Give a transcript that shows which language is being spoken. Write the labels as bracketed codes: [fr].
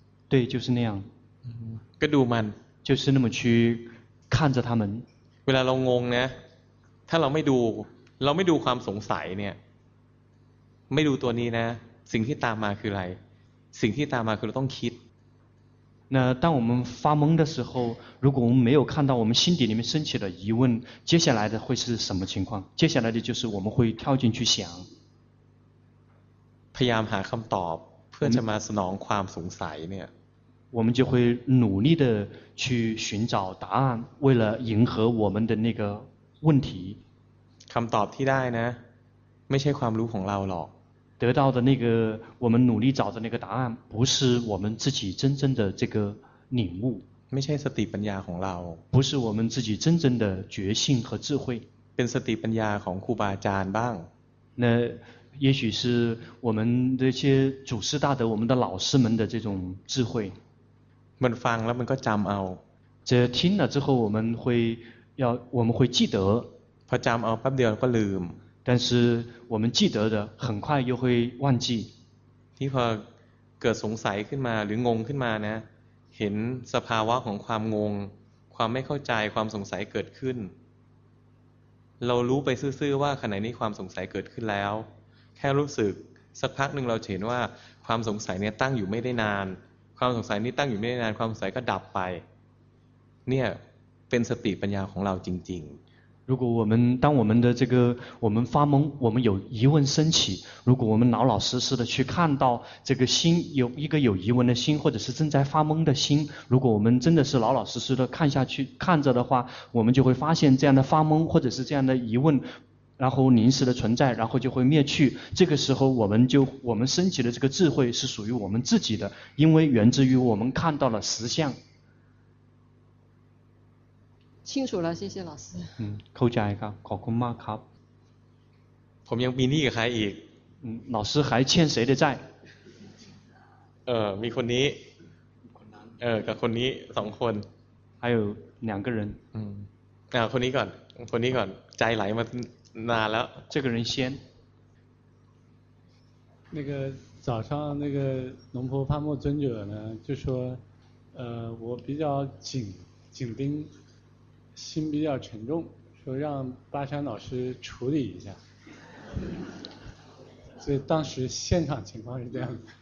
[zh] 对就是那样 [th] ก็ดูมัน [zh] 就是那么去看着他们 [th] เวลาเรางงนะถ้าเราไม่ดูเราไม่ดูความสงสัยเนี่ยไม่ดูตัวนี้นะสิ่งที่ตามมาคืออะไรสิ่งที่ตามมาคือเราต้องคิด [zh] 那当我们发懵的时候如果我们没有看到我们心底里面升起的疑问接下来的会是什么情况接下来的就是我们会跳进去想 [th] พยายามหาคำตอบเพื่อจะมาสนองความสงสัยเนี่ย [zh] 我们就会努力的去寻找答案为了迎合我们的那个问题 [th] คำตอบที่ได้นะไม่ใช่ความรู้ของเราหรอก [zh] 得到的那个我们努力找的那个答案不是我们自己真正的这个领悟 [th] ไม่ใช่สติปัญญาของเรา [zh] 不是我们自己真正的觉性和智慧 [th] เป็นสติปัญญาของครูบาอาจารย์บ้าง [zh] 那也许是我们这些祖师大德我们的老师们的这种智慧 [th] มันฟังแล้วมันก็จำเอา [zh] 这听了之后我们会记得 [th] พอจำเอาแป๊บเดียวก็ลืม [zh] 但是我们记得的很快又会忘记 [th] ที่พอเกิดสงสัยขึ้นมาหรืองงขึ้นมานะเห็นสภาวะของความงงความไม่เข้าใจความสงสัยเกิดขึ้นเรารู้ไปซื่อๆว่าขณะนี้ความสงสัยเกิดขึ้นแล้วแค่รู้สึกสักพักหนึ่งเราเห็นว่าความสงสัยเนี่ยตั้งอยู่ไม่ได้นานความสงสัยนี้ตั้งอยู่ไม่ได้นานความสงสัยก็ดับไปเนี่ยเป็นสติปัญญาของเราจริงๆ [zh] 如果我们当我们的这个我们发懵我们有疑问升起如果我们老老实实的去看到这个心有一个有疑问的心或者是正在发懵的心如果我们真的是老老实实的看下去看着的话我们就会发现这样的发懵或者是这样的疑问然后临时的存在然后就会灭去这个时候我们升起的这个智慧是属于我们自己的因为源自于我们看到了实相清楚了谢谢老师 [th] เข้าใจครับขอบคุณมากครับ ผมยังมีหนี้กับใครอีก [zh] 老师还欠谁的债 [th] มีคนนี้กับคนนี้สองคน [zh] 还有两个人 [th] คนนี้ก่อนคนนี้ก่อนใจไหลมานานแล้ว [zh] 这个人先那个早上那个龙婆帕默尊者呢就说我比较紧盯心比较沉重说让巴山老师处理一下所以当时现场情况是这样的